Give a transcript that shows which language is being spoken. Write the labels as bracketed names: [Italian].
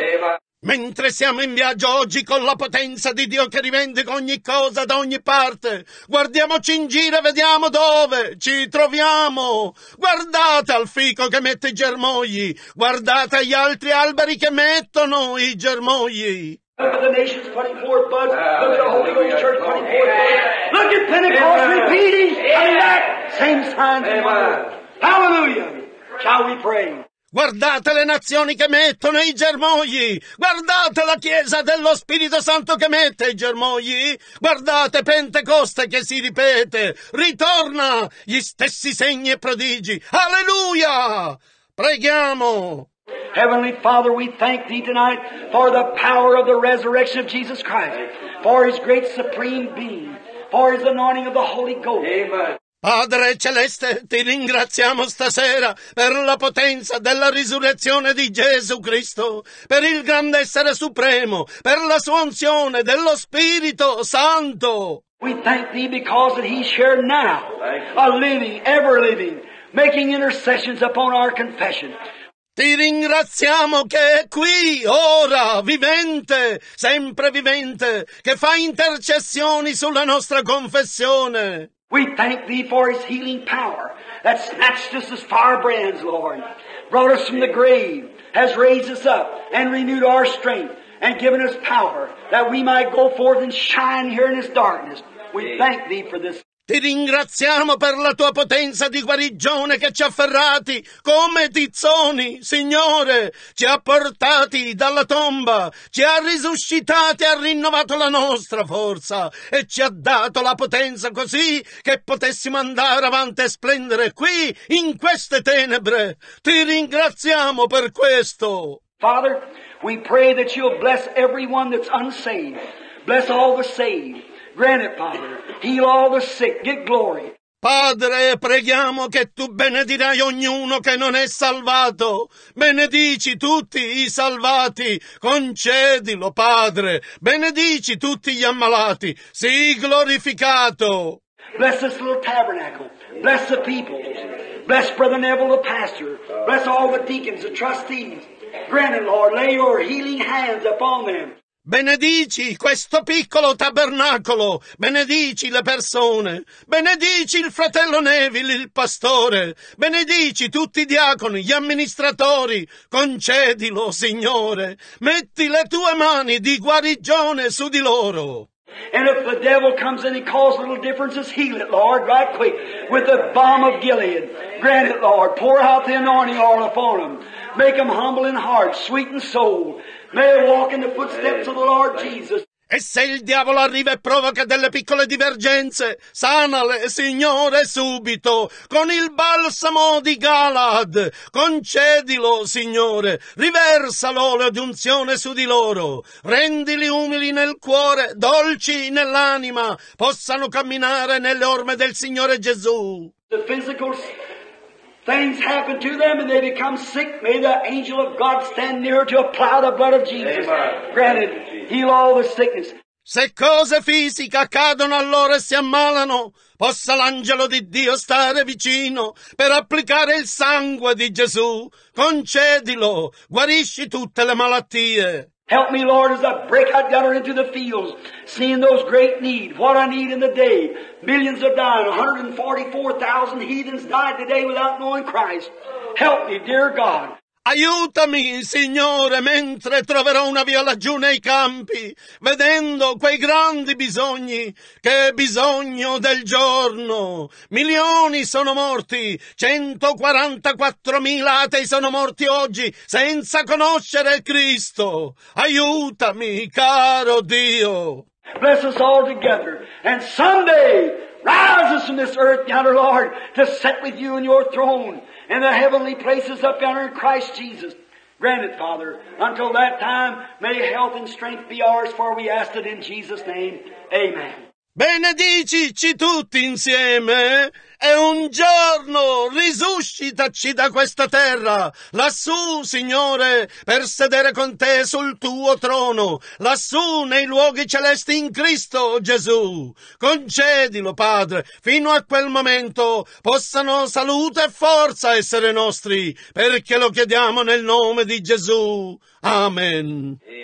[Italian] Amen. Mentre siamo in viaggio oggi con la potenza di Dio che rivendica ogni cosa da ogni parte, guardiamoci in giro e vediamo dove ci troviamo. Guardate al fico che mette i germogli. Guardate agli altri alberi che mettono i germogli. [English] Look at the nations putting forth buds. Look at the Holy Ghost Church putting forth buds. Look at Pentecost repeating. Coming back. Same signs and wonders. Hallelujah. Shall we pray? [Italian] Guardate le nazioni che mettono i germogli, guardate la Chiesa dello Spirito Santo che mette i germogli, guardate Pentecoste che si ripete, ritorna gli stessi segni e prodigi. Alleluia! Preghiamo! [English] Heavenly Father, we thank Thee tonight for the power of the resurrection of Jesus Christ, for His great supreme being, for His anointing of the Holy Ghost. Amen. [Italian] Padre Celeste, ti ringraziamo stasera per la potenza della risurrezione di Gesù Cristo, per il grande essere supremo, per la sua unzione dello Spirito Santo. [English] We thank Thee because that He's here now, a living, ever living, making intercessions upon our confession. [Italian] Ti ringraziamo che è qui, ora, vivente, sempre vivente, che fa intercessioni sulla nostra confessione. [English] We thank Thee for His healing power that snatched us as firebrands, Lord, brought us from the grave, has raised us up and renewed our strength and given us power that we might go forth and shine here in this darkness. We thank Thee for this. [Italian] Ti ringraziamo per la Tua potenza di guarigione che ci ha afferrati come tizzoni, Signore, ci ha portati dalla tomba, ci ha risuscitati, ha rinnovato la nostra forza e ci ha dato la potenza così che potessimo andare avanti e splendere qui, in queste tenebre. Ti ringraziamo per questo. [English] Father, we pray that You'll bless everyone that's unsaved. Bless all the saved. Grant it, Father. Heal all the sick. Get glory. [Italian] Padre, preghiamo che Tu benedirai ognuno che non è salvato. Benedici tutti i salvati. Concedilo, Padre. Benedici tutti gli ammalati. Sii glorificato. [English] Bless this little tabernacle. Bless the people. Bless Brother Neville, the pastor. Bless all the deacons, the trustees. Grant it, Lord. Lay Your healing hands upon them. [Italian] Benedici questo piccolo tabernacolo, benedici le persone, benedici il fratello Neville, il pastore, benedici tutti i diaconi, gli amministratori, concedilo, Signore, metti le Tue mani di guarigione su di loro. [English] And if the devil comes in and causes little differences, heal it, Lord, right quick. With the balm of Gilead. Grant it, Lord. Pour out the anointing oil upon them. Make them humble in heart, sweet in soul. May they walk in the footsteps of the Lord Jesus. [Italian] E se il diavolo arriva e provoca delle piccole divergenze, sanale, Signore, subito, con il balsamo di Galaad. Concedilo, Signore, riversa l'olio di unzione su di loro, rendili umili nel cuore, dolci nell'anima, possano camminare nelle orme del Signore Gesù. [English] The physical things happen to them and they become sick. May the angel of God stand near to apply the blood of Jesus. Granted, heal all the sickness. [Italian] Se cose fisiche accadono a loro e si ammalano, possa l'angelo di Dio stare vicino per applicare il sangue di Gesù. Concedilo, guarisci tutte le malattie. [English] Help me, Lord, as I break out down into the fields, seeing those great need. What I need in the day. Millions have died. 144,000 heathens died today without knowing Christ. Help me, dear God. [Italian] Aiutami, Signore, mentre troverò una via laggiù nei campi, vedendo quei grandi bisogni. Che bisogno del giorno! Milioni sono morti, 144,000 atei sono morti oggi, senza conoscere Cristo. Aiutami, caro Dio! [English] Bless us all together, and someday rise us from this earth, yonder Lord, to sit with you in your throne. And the heavenly places up yonder in Christ Jesus. Grant it, Father. Until that time, may health and strength be ours, for we ask it in Jesus' name. Amen. [Italian] Benedicici tutti insieme. E un giorno risuscitaci da questa terra, lassù, Signore, per sedere con te sul tuo trono, lassù nei luoghi celesti in Cristo Gesù. Concedilo, Padre, fino a quel momento possano salute e forza essere nostri, perché lo chiediamo nel nome di Gesù. Amen.